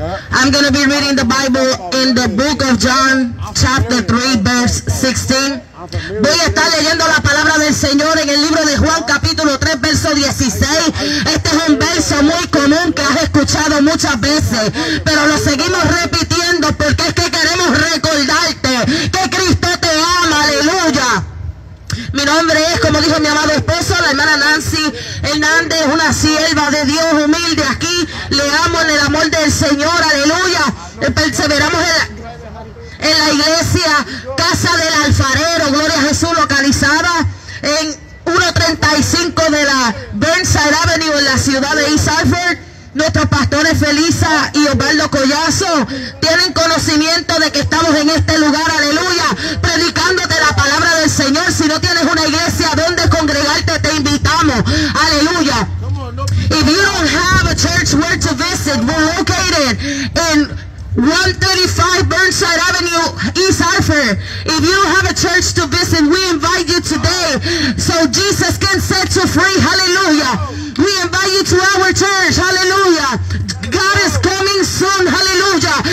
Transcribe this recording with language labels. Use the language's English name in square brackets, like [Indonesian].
[English] I'm going to be reading the Bible in the book of John chapter 3 verse 16. [Spanish] Voy a estar leyendo la palabra del Señor en el libro de Juan capítulo 3 verso 16. Este es un verso muy común que has escuchado muchas veces, pero lo seguimos repitiendo porque es que queremos recordarte que Cristo te ama. Aleluya. Mi nombre es, como dijo mi amado esposo, la hermana Nancy Hernández, una sierva de Dios humilde aquí. Le amo en el amor del Señor, aleluya. Perseveramos en la iglesia Casa del Alfarero, gloria a Jesús, localizada en 135 de la Burnside Avenue en la ciudad de East Hartford. Nuestros pastores Felisa y Osvaldo Collazo tienen conocimiento de que estamos en este lugar, aleluya, predicándote la palabra del Señor. Si no tienes una iglesia donde congregarte, te invitamos, aleluya. [English] If you don't have a church where to visit, we're located in 135 Burnside Avenue, East Hartford. If you don't have a church to visit, we invite you today so Jesus can set you free, hallelujah. We invite you to our church, hallelujah. God is coming soon, hallelujah.